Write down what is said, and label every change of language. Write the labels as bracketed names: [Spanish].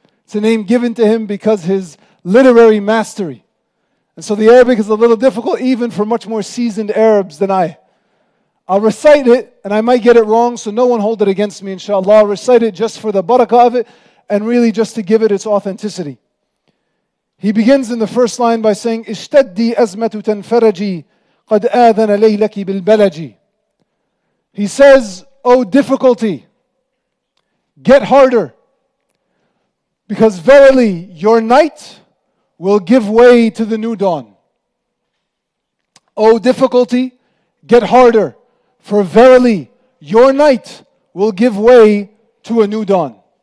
[English] It's a name given to him because his literary mastery. And so the Arabic is a little difficult even for much more seasoned Arabs than I. I'll recite it, and I might get it wrong, so no one hold it against me, inshallah. I'll recite it just for the barakah of it, and really just to give it its authenticity. He begins in the first line by saying, [Arabic] اشتدي أزمة تنفرجي قد آذن ليلك بالبلجي. [English] He says, oh difficulty, get harder, because verily your night will give way to the new dawn. Oh difficulty, get harder, for verily your night will give way to a new dawn.